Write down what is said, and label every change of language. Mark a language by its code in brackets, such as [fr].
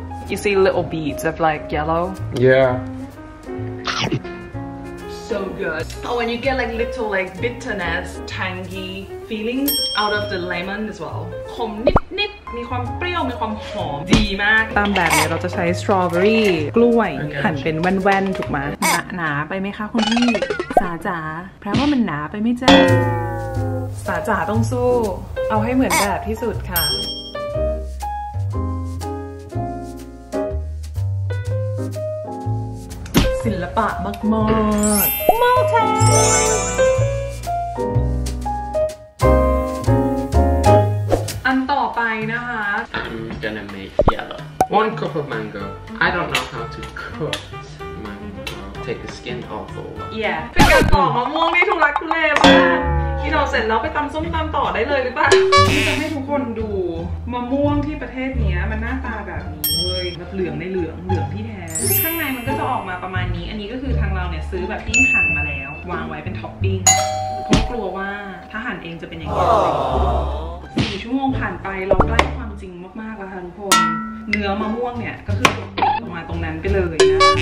[en] You see little beads of like yellow? Yeah. So good. Oh, and you get like little like bitterness, tangy feeling out of the lemon as well. [th] ขมนิด มีความเปรี้ยวมีความหอมดีมาก ตามแบบเนี้ยเราจะใช้สตรอเบอรี่กล้วยหั่นเป็นแว่นๆถูกไหมหนาไปไหมคะคุณพี่สาจ๋าแปลว่ามันหนาไปไหมจ๊ะ สาจ๋าต้องสู้เอาให้เหมือนแบบที่สุดค่ะ ศิลปะมากๆ Multi อันต่อไปนะคะ [en] I'm gonna make yellow one cup of mango I don't know how to cookTake the skin off or what? Yeah. [th] เป็นการปอกมะม่วงที่ทุลักทุเลมากพี่เราเสร็จแล้วไปตำส้มตำต่อได้เลยหรือเปล่าจะให้ทุกคนดูมะม่วงที่ประเทศนี้มันหน้าตาแบบนี้เว้ยแบบเหลืองในเหลืองเหลืองที่แท้ข้างในมันก็จะออกมาประมาณนี้อันนี้ก็คือทางเราเนี่ยซื้อแบบปิ้งหั่นมาแล้ววางไว้เป็นท็อปปิ้งเพราะกลัวว่าถ้าหั่นเองจะเป็นยังไง4ชั่วโมงผ่านไปเราใกล้ความจริงมากๆแล้วค่ะทุกคนเนื้อมะม่วงเนี่ยก็คือออกมาตรงนั้นไปเลยนะ